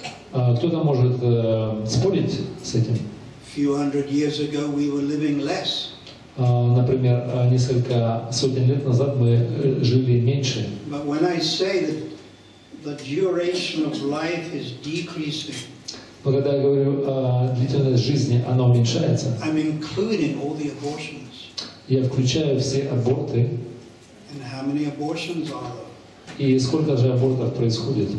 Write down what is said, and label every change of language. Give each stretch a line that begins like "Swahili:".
Russian: Кто-то может спорить с этим.
English: Few hundred years ago, we were living less.
Russian: Например, несколько сотен лет назад мы жили меньше.
English: But when I say that the duration of life is decreasing,
Russian: но когда я говорю длительность жизни, она уменьшается.
English: I'm including all the abortions.
Russian: Я включаю все аборты.
English: And how many abortions are there?
Russian: И сколько же абортов происходит?